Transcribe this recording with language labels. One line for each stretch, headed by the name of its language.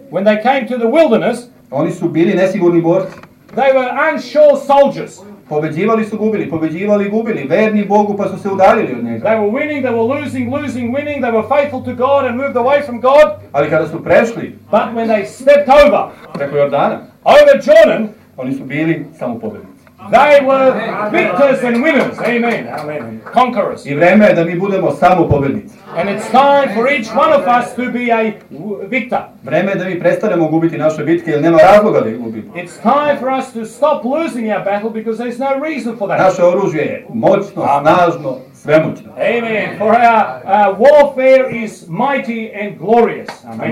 English: When they came to the wilderness.
Serbian: Oni su bili nesigurni borci.
English: They were unsure soldiers.
Serbian: Pobeđivali su, gubili, pobeđivali, gubili, verni Bogu pa su se udaljili od njega.
English: They were winning, they were losing, losing, winning. They were faithful to God and moved away from God.
Serbian: Ali kada su prešli.
English: But when they stepped over.
Serbian: Preko Jordana.
English: Over Jordan.
Serbian: Oni su bili samo pobednici.
English: They were victors and winners. Amen. Amen. Conquerors.
Serbian: I vreme je da mi budemo samo pobednici.
English: And it's time for each one of us to be a victor.
Serbian: Vreme je da mi prestanemo gubiti naše bitke jer nema razloga da ih gubimo.
English: It's time for us to stop losing our battle because there's no reason for that.
Serbian: Naše oružje je moćno, snažno, svemoćno.
English: Amen. For our warfare is mighty and glorious. Amen.